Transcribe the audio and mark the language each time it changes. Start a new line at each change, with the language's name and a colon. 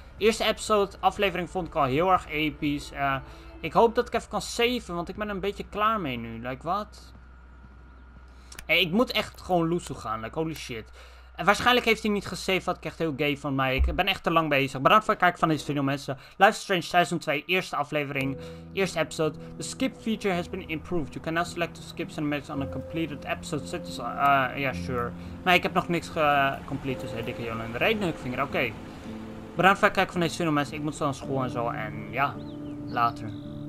Dutch: Eerste episode, aflevering vond ik al heel erg episch. Ik hoop dat ik even kan saven, want ik ben een beetje klaar mee nu. Like, wat? Hey, ik moet echt gewoon loose gaan.
English: Like, holy shit.
Dutch: Waarschijnlijk heeft hij niet gesaved, wat ik echt heel gay van mij. Ik ben echt te lang bezig. Bedankt voor het kijken van deze video, mensen. Life is Strange Season 2, eerste aflevering, eerste episode.
English: The skip feature has been improved. You can now select the skips and match on a completed episode. So it's, sure.
Dutch: Maar ik heb nog niks gecomplete, dus dikke jongen in de redenhukvinger. Oké. Bedankt voor het kijken van deze video, mensen. Ik moet zo naar school en zo. En ja, later.